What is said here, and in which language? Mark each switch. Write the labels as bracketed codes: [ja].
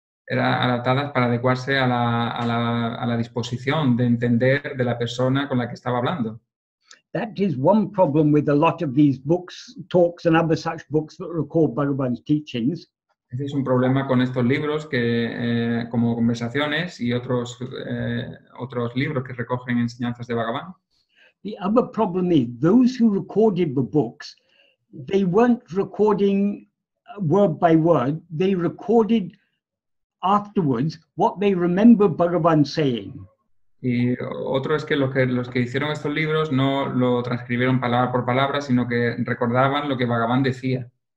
[es] eran adaptadas para adecuarse a la disposición de entender de la persona con la que estaba hablando. [en] That is one problem with a lot of these books, talks and other such books that record Bhagavan's teachings. [es] Ese es un problema con estos libros que como conversaciones y otros libros que recogen enseñanzas de Bhagavan. [en] The other problem is those who recorded the books, they weren't recording word by word, they recorded afterwards what they remembered Bhagavan saying. [es] Y otro es que los que hicieron estos libros no lo transcribieron palabra por palabra, sino que recordaban lo que Bhagavan decía.